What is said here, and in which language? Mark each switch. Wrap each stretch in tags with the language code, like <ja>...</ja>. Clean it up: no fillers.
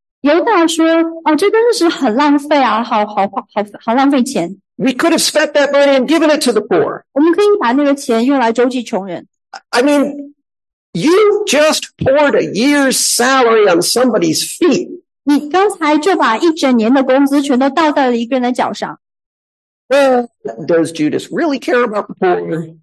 <zh>犹大说，这真的是很浪费啊，好浪费钱。</zh> <en>We could have spent that money and given it to the poor.</en> <zh>我们可以把那个钱用来周济穷人。</zh> <en>I mean, you just poured a year's salary on somebody's feet.</en> <zh>你刚才就把一整年的工资全都倒在了一个人的脚上。</zh> <en>Does Judas really care about the poor?</en>